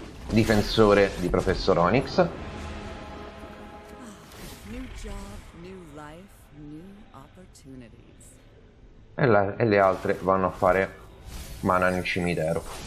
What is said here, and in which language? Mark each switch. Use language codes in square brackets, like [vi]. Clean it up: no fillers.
[it] Difensore di Professor Onyx. [en] New job, new life, new opportunities. [it] E le altre vanno a fare mana nel cimitero.